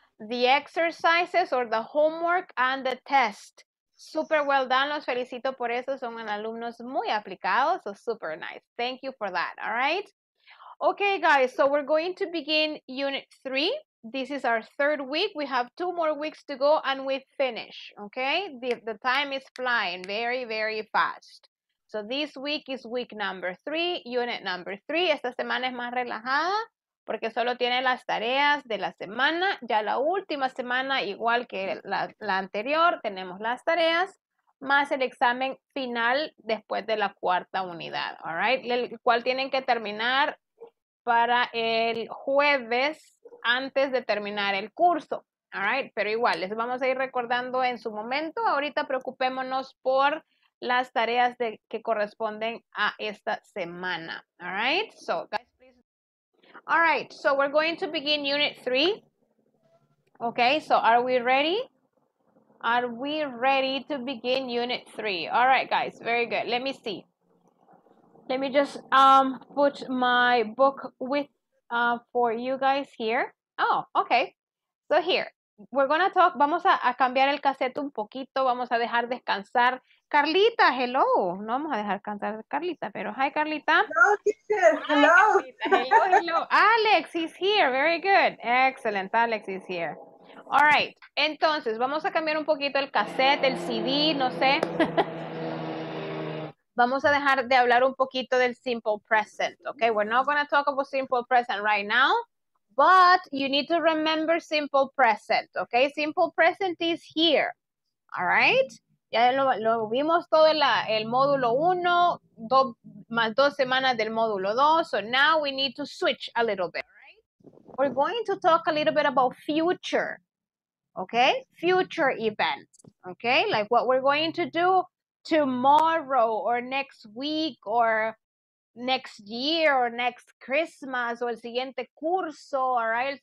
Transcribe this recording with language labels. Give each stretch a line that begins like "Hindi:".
English: The exercises or the homework and the test. Super well done,
Spanish: los felicito por eso, son alumnos muy aplicados,
English: so super nice. Thank you for that, all right? Okay, guys, so we're going to begin Unit 3. This is our third week. We have two more weeks to go and we finish, okay? The time is flying very, very fast. So this week is week number 3, unit number 3.
Spanish: Esta semana es más relajada porque solo tiene las tareas de la semana. Ya la última semana, igual que la anterior, tenemos las tareas, más el examen final después de la cuarta unidad, all right? El cual tienen que terminar para el jueves antes de terminar el curso, all right? Pero igual, les vamos a ir recordando en su momento. Ahorita preocupémonos por las tareas que corresponden a esta semana, all right?
English: So, guys. All right, so we're going to begin Unit 3. Okay, so are we ready? Are we ready to begin Unit 3? All right, guys, very good. Let me see. Let me just put my book with for you guys here. Oh, okay. So here, we're going to talk.
Spanish: Vamos a cambiar el cassette un poquito. Vamos a dejar descansar. Carlita,
English: hello.
Spanish: No vamos a dejar cantar a Carlita, pero
English: hi,
Spanish: Carlita.
English: Hello, teacher. Hello. Alex is here. Very good. Excellent. Alex is here. All right.
Spanish: Entonces, vamos a cambiar un poquito el cassette, el CD, no sé. Vamos a dejar de hablar un poquito del simple present, okay?
English: We're not going to talk about simple present right now, but you need to remember simple present, okay? Simple present is here, all right?
Spanish: Ya lo vimos todo el módulo 1, más dos semanas del módulo 2.
English: So now we need to switch a little bit, right? We're going to talk a little bit about future, okay? Future events, okay? Like what we're going to do tomorrow or next week or next year or next Christmas or
Spanish: el siguiente curso,
English: all right?